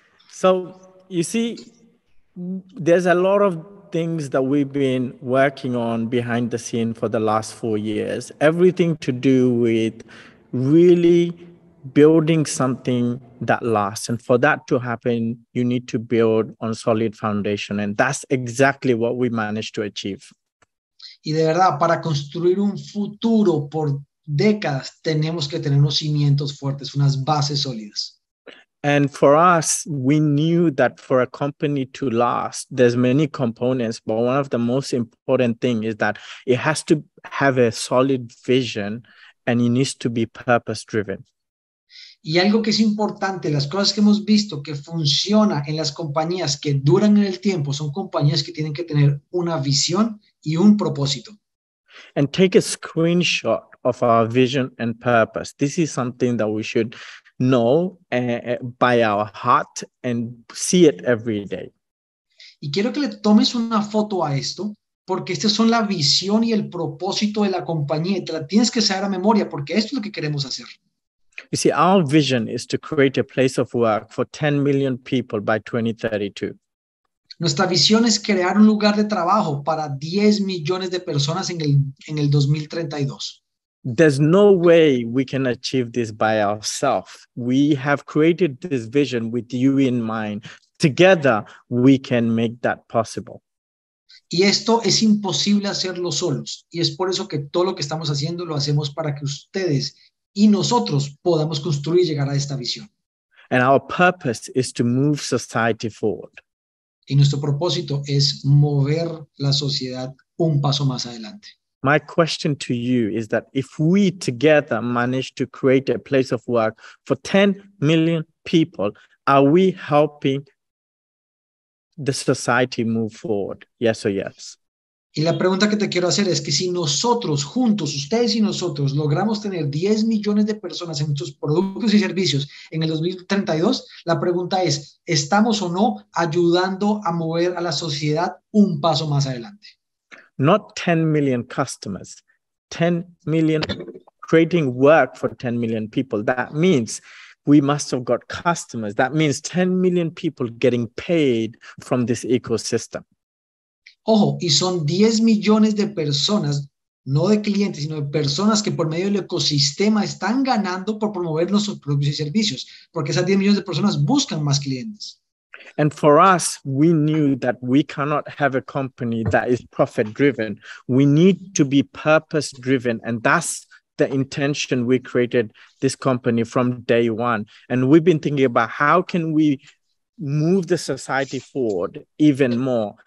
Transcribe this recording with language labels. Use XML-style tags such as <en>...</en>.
<en>So, you see, there's a lot of things that we've been working on behind the scene for the last 4 years. Everything to do with really building something that lasts. And for that to happen, you need to build on solid foundation. And that's exactly what we managed to achieve.</en> <es>Y de verdad, para construir un futuro por décadas, tenemos que tener unos cimientos fuertes, unas bases sólidas.</es> <en>And for us, we knew that for a company to last, there's many components, but one of the most important things is that it has to have a solid vision and it needs to be purpose-driven.</en> <es>Y algo que es importante, las cosas que hemos visto que funciona en las compañías que duran en el tiempo son compañías que tienen que tener una visión y un propósito.</es> <en>And take a screenshot of our vision and purpose. This is something that we should know by our heart and see it every day.</en> <es>Y quiero que le tomes una foto a esto, porque estas son la visión y el propósito de la compañía. Te la tienes que saber a memoria, porque esto es lo que queremos hacer.</es> <en>You see, our vision is to create a place of work for 10 million people by 2032.</en> <es>Nuestra visión es crear un lugar de trabajo para 10 millones de personas en el 2032.</es> <en>There's no way we can achieve this by ourselves. We have created this vision with you in mind. Together, we can make that possible.</en> <es>Y esto es imposible hacerlo solos. Y es por eso que todo lo que estamos haciendo lo hacemos para que ustedes y nosotros podamos construir y llegar a esta visión.</es> <en>And our purpose is to move society forward.</en> <es>Y nuestro propósito es mover la sociedad un paso más adelante.</es> <en>My question to you is that if we together manage to create a place of work for 10 million people, are we helping the society move forward? Yes or yes?</en> <es>Y la pregunta que te quiero hacer es que si nosotros juntos, ustedes y nosotros, logramos tener 10 millones de personas en nuestros productos y servicios en el 2032, la pregunta es, ¿estamos o no ayudando a mover a la sociedad un paso más adelante?</es> <en>Not 10 million customers, 10 million creating work for 10 million people. That means we must have got customers. That means 10 million people getting paid from this ecosystem.</en> <es>Ojo, y son 10 millones de personas, no de clientes, sino de personas que por medio del ecosistema están ganando por promover nuestros productos y servicios, porque esas 10 millones de personas buscan más clientes.</es> <en>And for us, we knew that we cannot have a company that is profit-driven. We need to be purpose-driven, and that's the intention we created this company from day one. And we've been thinking about how can we move the society forward even more.</en>